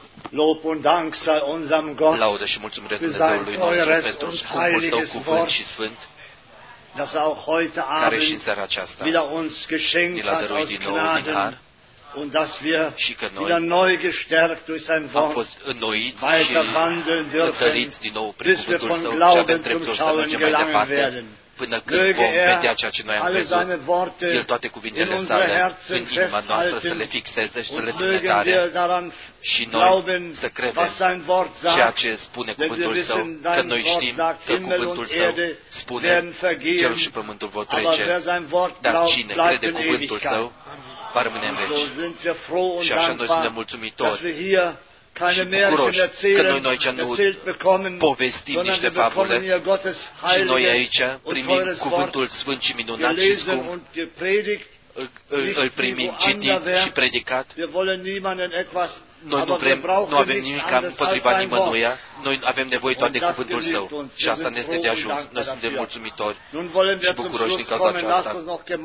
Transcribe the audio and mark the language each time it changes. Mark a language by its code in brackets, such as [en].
[de] Lob und Dank sei unserem Gott. [ro] Laudă și mulțumire Dumnezeului nostru pentru scumpul Său cuvânt și sfânt. [de] Dass auch heute Abend wieder uns geschenkt hat aus Gnaden und dass wir wieder neu gestärkt durch sein Wort weiter wandeln dürfen, bis wir von Glauben zum Schauen gelangen werden. Möge er alle seine Worte in unsere Herzen festhalten und mögen wir daran glauben, was sein Wort sagt, denn wir wissen, dein Wort sagt, Himmel und Erde werden vergehen, aber wer sein Wort glaubt, bleibt in Ewigkeit. Und so sind wir froh und dankbar, dass wir hier keine Märchen erzählen, [ro] noi [de] erzählt bekommen, [ro] povestim, [de] sondern wir bekommen hier Gottes heiliges und teures Wort gelesen und gepredigt, nicht wie predicat. Wir wollen niemanden etwas, [ro] noi [de] aber [ro] vrem, [de] wir brauchen nichts anderes als sein Wort. [ro] Noi avem nevoie toate cuvântul Său și asta ne este de ajuns. Noi suntem mulțumitori și bucuroși din cauza aceasta.